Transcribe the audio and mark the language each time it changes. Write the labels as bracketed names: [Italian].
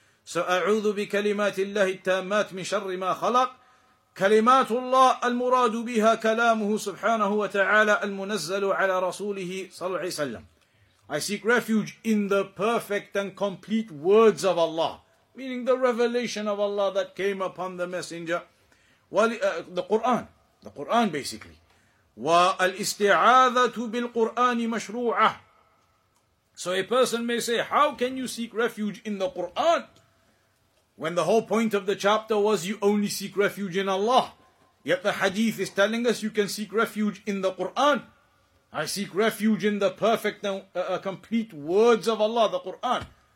[Arabic] So, أَعُوذُ بِكَلِمَاتِ اللَّهِ التَّامَّاتِ مِنْ شَرِّ مَا خَلَقْ كلمات الله المراد بها كلامه سبحانه وتعالى المنزل على رسوله صلى الله عليه وسلم. [English] I seek refuge in the perfect and complete words of Allah, meaning the revelation of Allah that came upon the messenger, the Quran basically. [Arabic] والاستعاذة بالقرآن مشروعة. [English] So a person may say, how can you seek refuge in the Quran when the whole point of the chapter was you only seek refuge in Allah? Yet the hadith is telling us you can seek refuge in the Quran. I seek refuge in the perfect and complete words of Allah, the Quran.